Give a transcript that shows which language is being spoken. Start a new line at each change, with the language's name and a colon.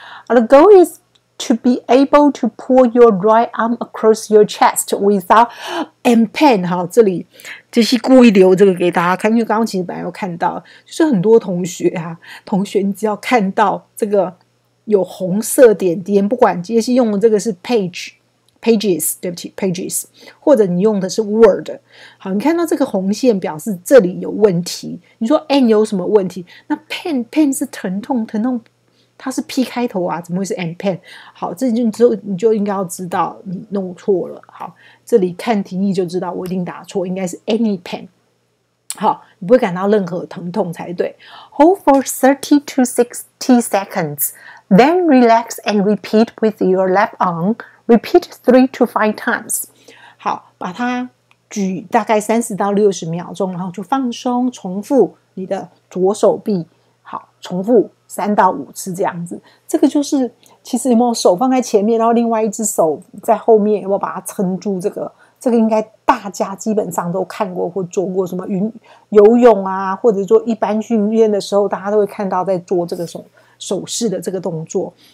English: The goal is to be able to pull your right arm across your chest without and pain，
Chinese: 好，这里就是故意留这个给大家看，因为刚刚其实本来有看到，就是很多同学啊，同学你只要看到这个有红色点点，不管杰西用的这个是 pages， 对不起 pages， 或者你用的是 word， 好，你看到这个红线表示这里有问题，你说 and 有什么问题？那 pain 是疼痛，疼痛它是 P 开头啊，怎么会是 and pain？好，这你就应该要知道你弄错了。好，这里看题意就知道我一定打错，应该是
English: any pain。
Chinese: 好，你不会感到任何疼痛才对。
English: Hold for 30 to 60 seconds, then relax and repeat with your left arm. Repeat 3 to 5 times.
Chinese: 好，把它举大概30到60秒钟，然后就放松，重复你的左手臂。好，重复3到5次这样子。这个就是其实有没有手放在前面，然后另外一只手在后面，有没有把它撑住，这个应该大家基本上都看过或做过，什么游泳啊或者做一般训练的时候，大家都会看到在做这个手势的这个动作。